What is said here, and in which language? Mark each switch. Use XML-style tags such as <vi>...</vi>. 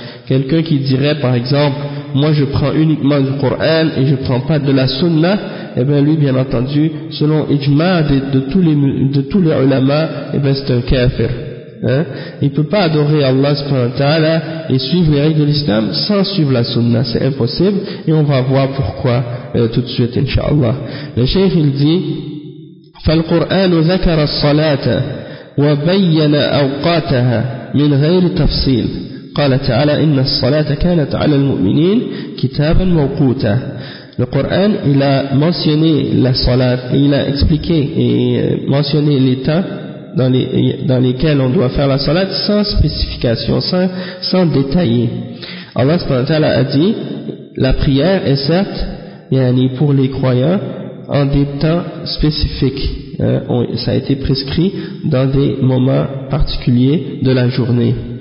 <fr>Quelqu'un qui dirait par exemple, moi je prends uniquement du Coran et je prends pas de la sunna, et bien lui bien entendu, selon ijma de tous les ulama, et bien c'est un kafir. Il peut pas adorer Allah subhanahu wa ta'ala et suivre les règles de l'islam sans suivre la sunna, c'est impossible, et on va voir pourquoi tout de suite inshallah. Le cheikh il dit,</fr> <ar>فالقرآن ذكر الصلاة وبين أوقاتها من غير تفصيل. قال تعالى إن الصلاة كانت على المؤمنين كتابا موقوتا.</ar> <fr>Le Coran il a mentionné la salat, il a expliqué et mentionné les temps dans lesquels on doit faire la salat sans spécification, sans détailler. Allah subhanahu wa ta'ala a dit, la prière est certes pour les croyants en des temps spécifiques, ça a été prescrit dans des moments particuliers de la journée.</fr>